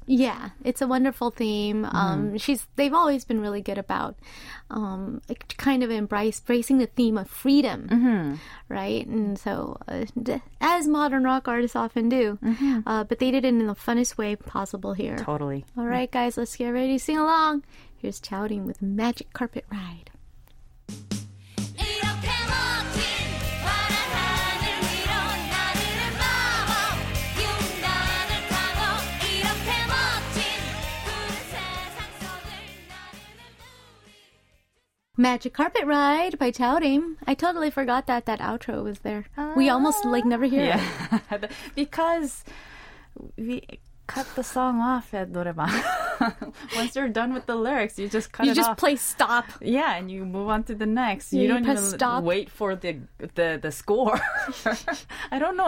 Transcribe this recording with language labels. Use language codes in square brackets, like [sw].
[en] Yeah, it's a wonderful theme. They've always been really good about kind of embracing the theme of freedom, right? And so, as modern rock artists often do, but they did it in the funnest way possible here. Totally. All right, guys, let's get ready to sing along. Here's Jaurim with Magic Carpet Ride. [ko] 이렇게 멋진 파란 하늘 위로 나르는 마법 융단을 타고 이렇게 멋진 푸른 세상 속을 나르는 Magic Carpet Ride by Jaurim. [en] I totally forgot that outro was there. We almost like never hear it. Yeah. Because we cut the song off at 노래방. Once you're done with the lyrics, you just cut it off. You just play stop. Yeah, and you move on to the next. You don't even wait for the score. I don't know.